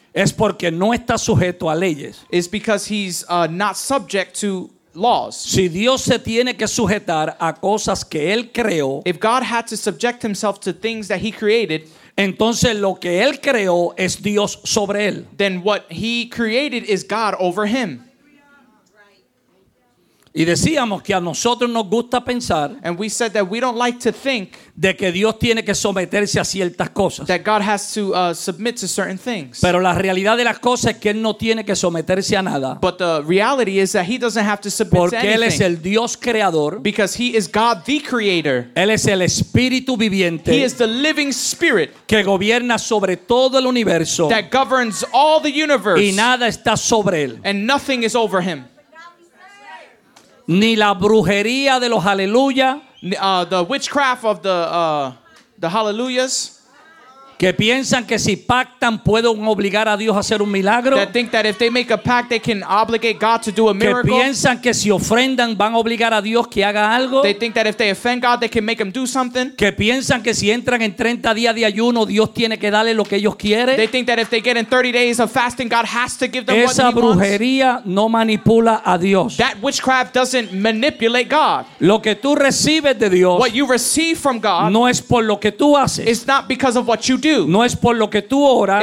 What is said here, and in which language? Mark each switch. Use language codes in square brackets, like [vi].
[es] es porque no está sujeto a leyes. [en] It's because he's not subject to laws. [es] Si Dios se tiene que sujetar a cosas que él creó, [en] if God had to subject himself to things that he created, [es] entonces lo que él creó es Dios sobre él. [en] Then what he created is God over him. [es] Y decíamos que a nosotros nos gusta pensar, [en] and we said that we don't like to think, [es] de que Dios tiene que someterse a ciertas cosas, [en] that God has to submit to certain things. [es] Pero la realidad de las cosas es que él no tiene que someterse a nada, [en] but the reality is that he doesn't have to submit to anything, [es] porque él es el Dios creador, [en] because he is God the creator. [es] Él es el espíritu viviente, [en] he is the living spirit, [es] que gobierna sobre todo el universo, [en] that governs all the universe, [es] y nada está sobre él, [en] and nothing is over him. [es] Ni la brujería de los aleluya, [en] the witchcraft of the hallelujahs, [es] que piensan que si pactan pueden obligar a Dios a hacer un milagro, [en] that think that if they make a pact they can obligate God to do a miracle, [es] que piensan que si ofrendan van a obligar a Dios que haga algo, [en] they think that if they offend God they can make him do something, [es] que piensan que si entran en 30 días de ayuno Dios tiene que darle lo que ellos quieren, [en] they think that if they get in 30 days of fasting God has to give them what he wants. [es] Esa brujería no manipula a Dios. [en] That witchcraft doesn't manipulate God. [es] Lo que tú recibes de Dios, [en] what you receive from God, [es] no es por lo que tú haces, [en] it's not because of what you do. [es] No es por lo que tú oras.